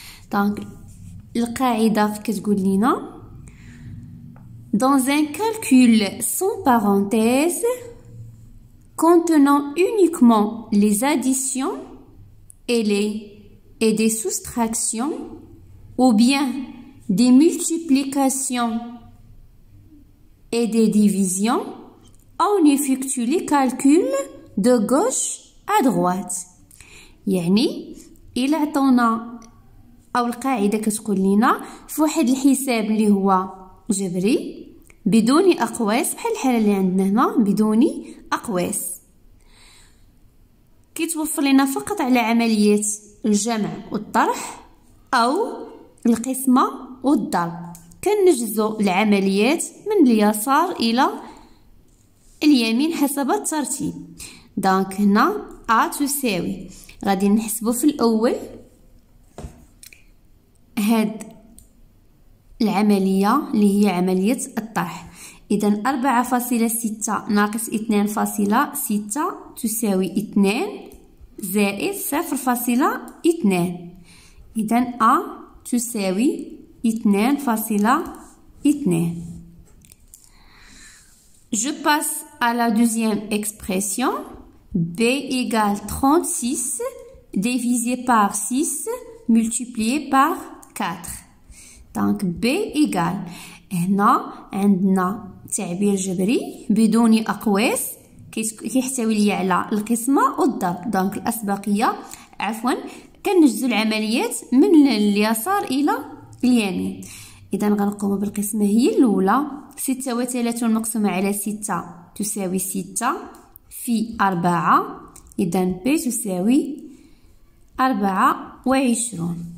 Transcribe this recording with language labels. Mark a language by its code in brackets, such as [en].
[fr] Donc, le [ar] qaïda kesgoulina. [fr] Dans un calcul sans parenthèse, contenant uniquement les additions et des soustractions, ou bien des multiplications et des divisions, on effectue les calculs de gauche à droite. [ar] يعني إلا عطونا أو القاعدة كتقول لنا في واحد الحساب اللي هو جبري بدون أقواس بحال الحالة اللي عندنا هنا بدون أقواس كيتوفر لنا فقط على عملية الجمع والطرح أو القسمة والضرب كنجزو العمليات من اليسار إلى اليمين حسب الترتيب دونك هنا A تساوي غادي نحسبو في الأول هاد العملية اللي هي عملية الطرح إذا 4.6 ناقص 2.6 تساوي 2 زائد 0.2 إذا A تساوي 2.2 [fr] Je passe à la deuxième expression. B égale 36 divisé par 6 multiplié par 4. Donc B égale. [ar] هنا عندنا تعبير جبري بدون أقواس كيحتوي لي على القسمة والضرب. دونك الأسبقية عفوا كنجزو العمليات من اليسار إلى اليمين. إذا غنقوم بالقسمة هي الأولى 36 مقسومة على 6 تساوي 6 في 4 إذا ب تساوي 24